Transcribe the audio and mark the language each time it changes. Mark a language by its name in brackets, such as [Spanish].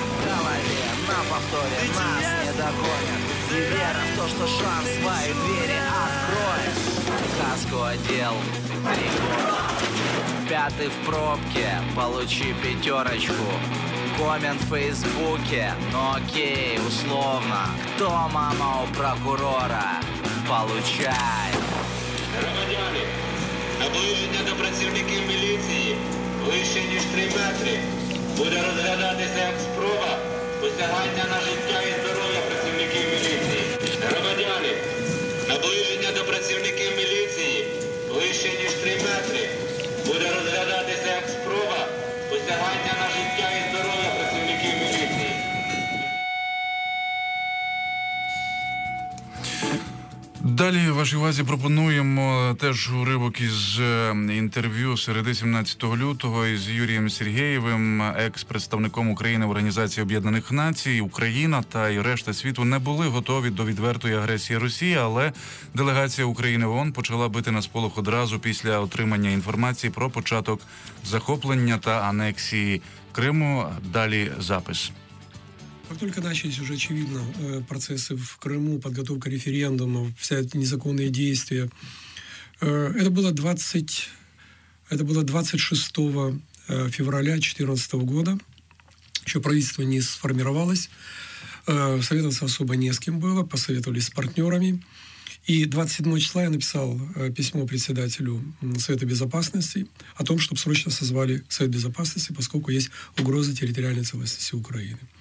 [Russian] Голове на повторе нас не догонят. И вера в то, что шанс свои двери откроет. Каску одел, рекорд. Пятый в пробке, получи пятерочку. Коммент в Фейсбуке, ну окей, условно. Кто мама у прокурора? Получай. [Ukrainian] Громадяни, наближення до працівників міліції вище, ніж 3 метри. Буде розглядатися як спроба посягання на життя і здоров'я працівників міліції. Громадяни, наближення до працівників міліції вище, ніж 3 метри. Буде розглядатися як спроба посягання на життя і здоров'я працівників міліції. Yeah. Далі вашій увазі пропонуємо теж уривок із інтерв'ю середи 17 лютого із Юрієм Сергєєвим, екс-представником України в Організації Об'єднаних Націй. Україна та й решта світу не були готові до відвертої агресії Росії, але делегація України в ООН почала бити на сполох одразу після отримання інформації про початок захоплення та анексії Криму. Далі запис. [Russian] Как только начались уже очевидно процессы в Крыму, подготовка референдума, все эти незаконные действия, это было 26 февраля 2014 года, еще правительство не сформировалось, советоваться особо не с кем было, посоветовались с партнерами, и 27 числа я написал письмо председателю Совета Безопасности о том, чтобы срочно созвали Совет Безопасности, поскольку есть угроза территориальной целостности Украины.